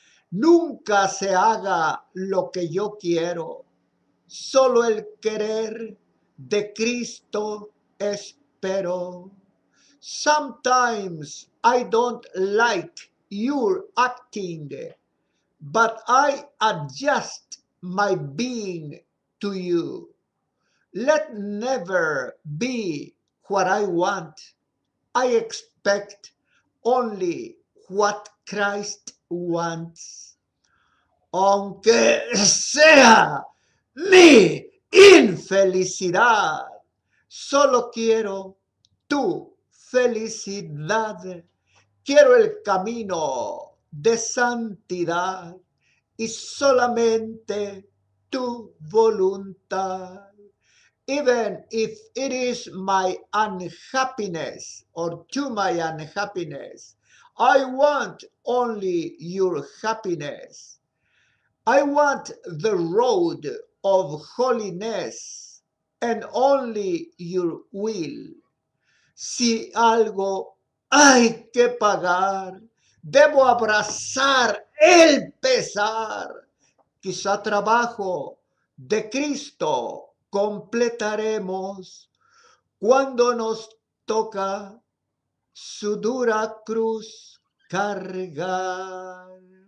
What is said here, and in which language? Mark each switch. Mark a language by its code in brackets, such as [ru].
[es] Nunca se haga lo que yo quiero, solo el querer de Cristo espero. [en] Sometimes I don't like your acting, but I adjust my being to you. Let never be what I want. I expect only what Christ wants. [es] Aunque sea mi infelicidad, solo quiero tu felicidad. Quiero el camino de santidad. Y solamente tu voluntad. [en] Even if it is my unhappiness or to my unhappiness, I want only your happiness. I want the road of holiness and only your will. [es] Si algo hay que pagar, debo abrazar el pesar. Quizá trabajo de Cristo completaremos cuando nos toca su dura cruz cargar.